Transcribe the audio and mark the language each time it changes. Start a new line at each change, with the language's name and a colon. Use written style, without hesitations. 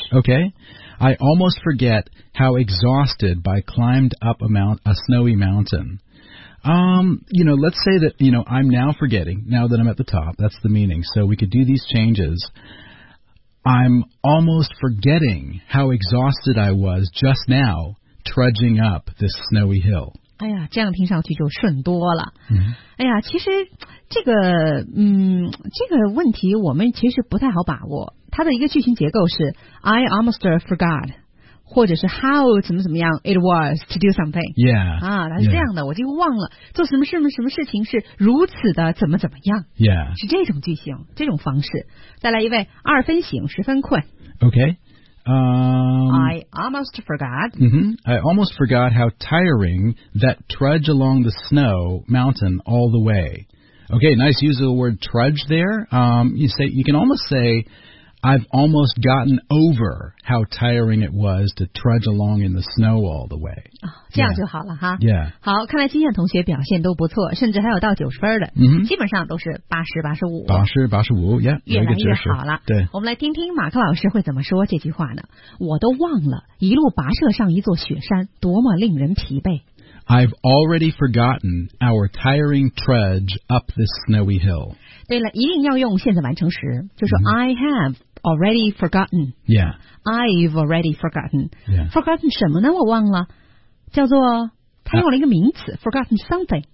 English: Okay. I almost forget how exhausted by climbed up a snowy mountain. You know, let's say that, you know, I'm now forgetting, now that I'm at the top, that's the meaning. So we could do these changes. I'm almost forgetting how exhausted I was just now trudging up this snowy hill.
Chinese: 哎呀，这样听上去就顺多了。 Mm-hmm. 哎呀，其实这个，这个问题我们其实不太好把握。它的一个句型结构是
English: I almost forgot.
Chinese: 或者是 how 怎么怎么样
English: it was to do something yeah
Chinese: 啊，它是这样的，我就忘了做什么什么什么事情是如此的怎么怎么样
English: yeah
Chinese: 是这种句型，这种方式。再来一位，二分醒，十分困。
English: Okay, I almost forgot. Mm-hmm. I almost forgot how tiring that trudge along the snow mountain all the way. Okay, nice use of the word trudge there. You can almost say. I've almost gotten over how tiring it was to trudge along in the snow all the way.
Chinese: 这样就好了哈。
English: Yeah.
Chinese: 好，看来今天同学表现都不错，甚至还有到九十分的、 mm-hmm. 基本上都是八十八十五。八十八十五 yeah. 越来越好了。对。我们来听听马克老师会怎么说这句话呢。我都忘了一路跋涉上一座雪山多么令人疲惫。
English: I've already forgotten our tiring trudge up this snowy hill.
Chinese: 对了，一定要用现在完成时，就说、mm-hmm.
English: I have. Already forgotten. Yeah. I've already forgotten. Yeah.
Chinese: Forgotten 什么呢？我忘了。叫做他用了一个名词
English: forgotten something.